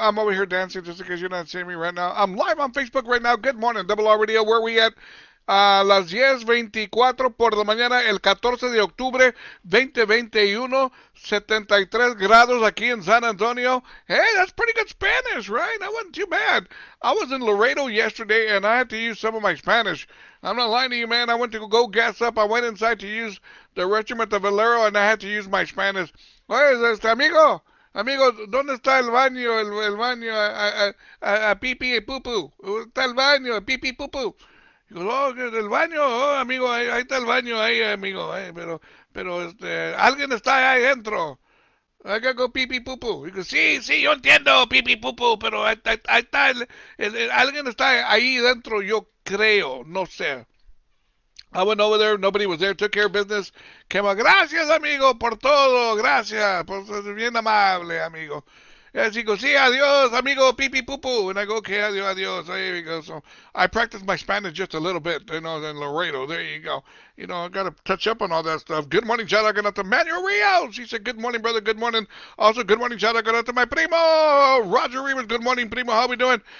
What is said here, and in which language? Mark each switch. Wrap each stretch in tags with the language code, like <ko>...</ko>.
<en>I'm over here dancing just in case you're not seeing me right now. I'm live on Facebook right now. Good morning, RRR Radio. Where we at?</en> <es>Las 10:24 por la mañana, el 14 de octubre, 2021, 73 grados aquí en San Antonio.</es> <en>Hey, that's pretty good Spanish, right? That wasn't too bad. I was in Laredo yesterday, and I had to use some of my Spanish. I'm not lying to you, man. I went to go gas up. I went inside to use the restroom at the Valero, and I had to use my Spanish. Where is this,</en> <es>amigo? Amigo, ¿dónde está el baño? El baño, pee pee y poo poo. ¿Dónde está el baño? Pee pee poo poo.</es> <en>He goes, oh,</en> <es>el baño, oh, amigo, ahí está el baño, ahí, amigo, pero, alguien está ahí adentro.</es> <en>I gotta go pee pee poo poo. He goes,</en> <es>sí, sí, yo entiendo, pee pee poo poo, pero ahí está alguien está ahí adentro, yo creo, no sé.</es> <en>I went over there, nobody was there, took care of business. Came,</en> <es>gracias, amigo, por todo, gracias, por ser bien amable, amigo.</es> <en>Yes, he goes,</en> <es>sí, adiós, amigo,</es> <en>pee pee poo poo. And I go, okay,</en> <es>adiós, adiós.</es> <en>There he goes. So I practiced my Spanish just a little bit, you know, in Laredo. There you go. You know, I got to touch up on all that stuff. Good morning, shout out to Manuel Rios. He said, good morning, brother. Good morning. Also, good morning, shout out to my primo, Roger Rivas. Good morning, primo. How we doing?</en>